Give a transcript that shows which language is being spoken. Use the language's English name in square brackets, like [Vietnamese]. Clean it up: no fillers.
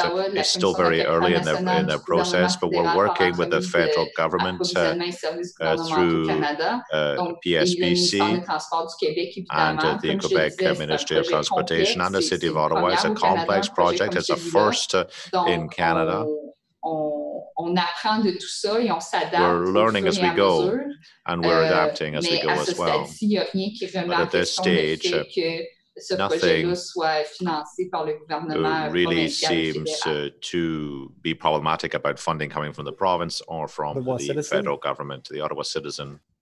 [English] It's still very early in the process, but we're working with the federal government through PSBC and the Quebec Ministry of Transportation and the City of Ottawa. It's a complex project. It's a first in Canada. [French] On apprend de tout ça et on s'adapte. [English] We're learning as we go, and we're adapting as we go as well. But at this stage, nothing really seems to be problematic about funding coming from the province or from the federal government, the Ottawa citizen.